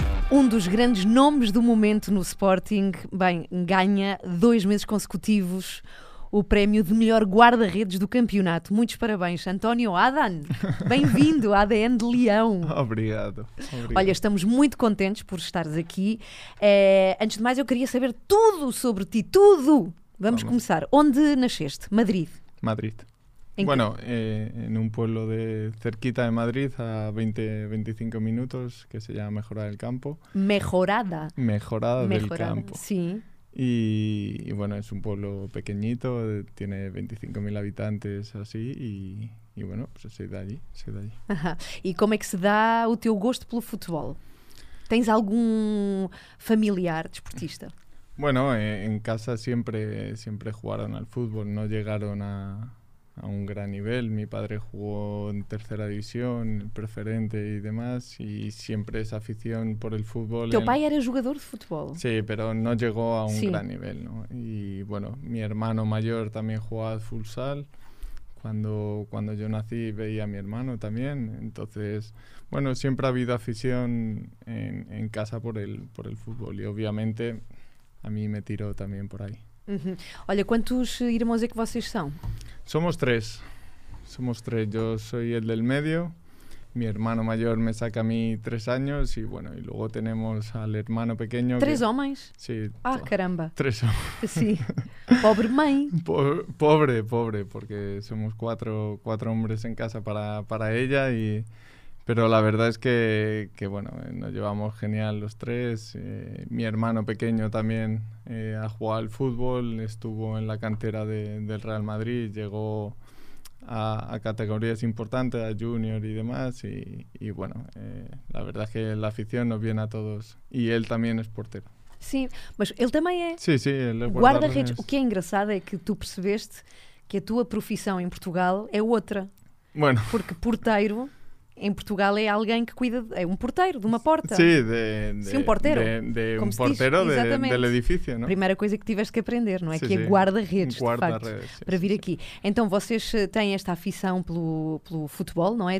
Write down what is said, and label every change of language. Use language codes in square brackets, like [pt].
[pt] um dos grandes nomes do momento no Sporting, bem, ganha 2 meses consecutivos o prémio de melhor guarda-redes do campeonato. Muitos parabéns, António Adan. Bem-vindo, ADN de Leão. Obrigado. Olha, estamos muito contentes por estares aqui. Antes de mais, eu queria saber tudo sobre ti, tudo. Vamos começar. Onde nasceste? Madrid. Madrid. [es] Bueno, en un pueblo de cerquita de Madrid, a 20-25 minutos, que se llama Mejorada del Campo. Mejorada. Mejorada del Campo. Sí. Y bueno, es un pueblo pequeñito, tiene 25.000 habitantes así y bueno, pues soy de allí. ¿Y cómo es que se da [pt] o teu gusto pelo futebol? ¿Tens algún familiar desportista? [es] Bueno, en casa siempre jugaron al fútbol, no llegaron a un gran nivel. Mi padre jugó en tercera división, preferente y demás, y siempre esa afición por el fútbol. ¿Tu padre era jugador de fútbol? Sí, pero no llegó a un gran nivel, ¿no? Y bueno, mi hermano mayor también jugaba al futsal. Cuando yo nací veía a mi hermano también, entonces, bueno, siempre ha habido afición en casa por el fútbol, y obviamente a mí me tiró también por ahí. Uh-huh. [pt] Olha, quantos irmãos é que vocês são? Somos três. Eu sou o del medio. Meu irmão maior me saca a mim 3 anos. E, bueno, e logo temos al hermano pequeno. Três homens? Sim. [es] Sí, [pt] ah, caramba. Três homens. Sim. Pobre mãe. Pobre, porque somos quatro homens em casa para ela. [es] Pero la verdad es que bueno, nos llevamos genial los tres. Mi hermano pequeño también ha jugado al fútbol, estuvo en la cantera del Real Madrid, llegó a categorías importantes, a junior y demás. Y bueno, la verdad es que la afición nos viene a todos. Y él también es portero. Sí, pero él también es. Sí, él es [pt] guarda-redes. [es] Lo que es engraçado es que tú percebiste que tu profesión en Portugal es otra. Bueno. Porque portero. [pt] Em Portugal é alguém que cuida, é um porteiro de uma porta. Sim, de um porteiro. De um porteiro do edifício, não? Primeira coisa que tiveste que aprender, não é? Sim, que é guarda-redes, guarda-redes, de facto, para vir aqui. Então, vocês têm esta afição pelo futebol, não é?